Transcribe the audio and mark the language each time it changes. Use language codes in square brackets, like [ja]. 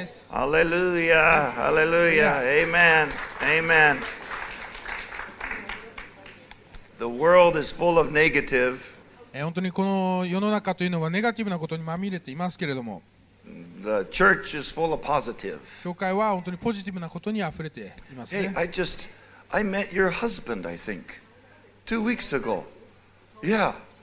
[en] Hallelujah, hallelujah, amen, amen. The world is full of negative. [ja] 本当にこの世の中というのはネガティブなことにまみれていますけれども、 [en] The church is full of positive. [ja] 教会は本当にポジティブなことにあふれていますね。 [en] Hey, I met your husband, I think, 2 weeks ago. Yeah.